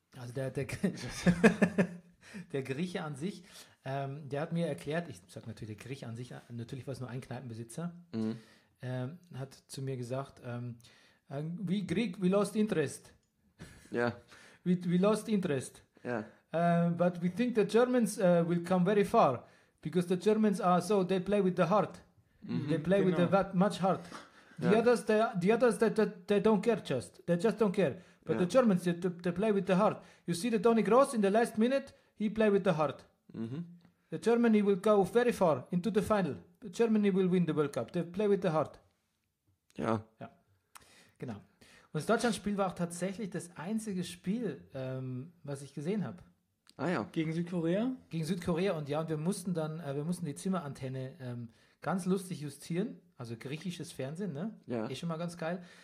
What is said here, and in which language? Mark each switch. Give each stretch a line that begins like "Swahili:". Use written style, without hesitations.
German: Also der Grieche an sich, der hat mir erklärt, ich sage natürlich der Grieche an sich, natürlich war es nur ein Kneipenbesitzer, hat zu mir gesagt,
English: we lost interest.
German: Ja.
English: We lost interest.
German: Ja.
English: But we think the Germans will come very far, because the Germans are so, they play with the heart. Mm-hmm, they play with much heart. The others, they don't care just. They just don't care. But the Germans, they play with the heart. You see the Toni Kroos in the last minute, he play with the heart. Mm-hmm. The Germany will go very far into the final. The Germany will win the World Cup. They play with the heart.
German: Ja. Ja. Genau. Und das Deutschlandspiel war auch tatsächlich das einzige Spiel, was ich gesehen habe. Ah ja. Gegen Südkorea? Gegen Südkorea und ja, und wir mussten die Zimmerantenne ganz lustig justieren. Also griechisches Fernsehen, ne? Ja. Ist schon mal ganz geil.